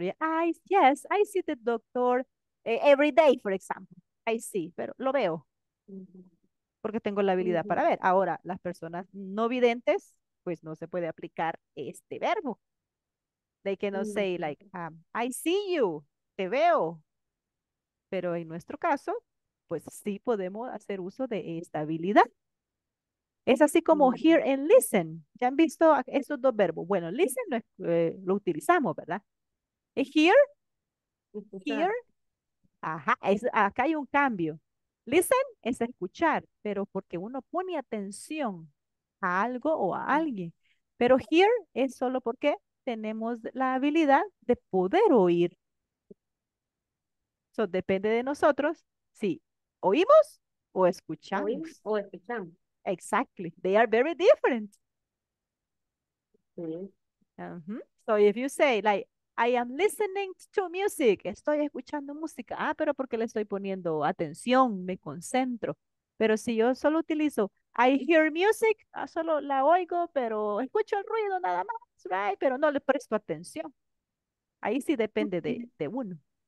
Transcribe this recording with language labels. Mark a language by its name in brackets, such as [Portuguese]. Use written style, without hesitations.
[English] Yes, I see the doctor every day, for example. I see, [Spanish] pero lo veo porque tengo la habilidad para ver. Ahora, las personas no videntes, pues no se puede aplicar este verbo. [English] They cannot say like, I see you, [Spanish] te veo. Pero en nuestro caso, pues sí podemos hacer uso de esta habilidad. Es así como hear and listen. ¿Ya han visto esos dos verbos? Bueno, listen lo utilizamos, ¿verdad? Hear, hear, ajá, acá hay un cambio. Listen es escuchar, pero porque uno pone atención a algo o a alguien. Pero hear es solo porque tenemos la habilidad de poder oír. So, depende de nosotros si oímos o escuchamos. Oímos o escuchamos. [English] Exactly. They are very different. [Spanish] Sí. [English] So, if you say, like, I am listening to music. [Spanish] Estoy escuchando música. Ah, pero porque le estoy poniendo atención, me concentro. Pero si yo solo utilizo, [English] I hear music, [Spanish] solo la oigo, pero escucho el ruido nada más. Right, pero no le presto atención. Ahí sí depende de uno.